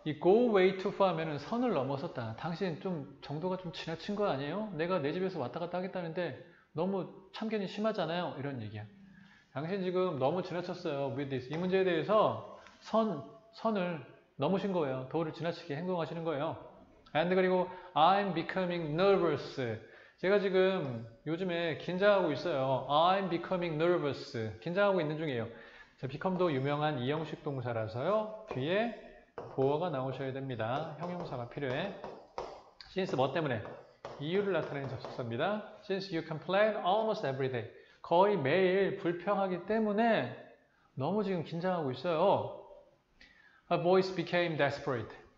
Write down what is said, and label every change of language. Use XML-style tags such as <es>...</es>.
<en>Go way too far</en> <ko>하면은 선을 넘어섰다. 당신 좀 정도가 좀 지나친 거 아니에요? 내가 내 집에서 왔다 갔다 하겠다는데 너무 참견이 심하잖아요. 이런 얘기야. 당신 지금 너무 지나쳤어요.</ko> <en>With this.</en> <ko>이 문제에 대해서 선을 넘으신 거예요. 도를 지나치게 행동하시는 거예요.</ko> <en>And</en> <ko>그리고</ko> <en>I'm becoming nervous.</en> <ko>제가 지금 요즘에 긴장하고 있어요.</ko> <en>I'm becoming nervous.</en> <ko>긴장하고 있는 중이에요. 자, become도 유명한 이형식 동사라서요. 뒤에 보어가 나오셔야 됩니다. 형용사가 필요해. Since 뭐 때문에? 이유를 나타내는 접속사입니다.</ko> <en>Since you complain almost every day.</en> <ko>거의 매일 불평하기 때문에 너무 지금 긴장하고 있어요.</ko> <en>A voice became desperate.</en>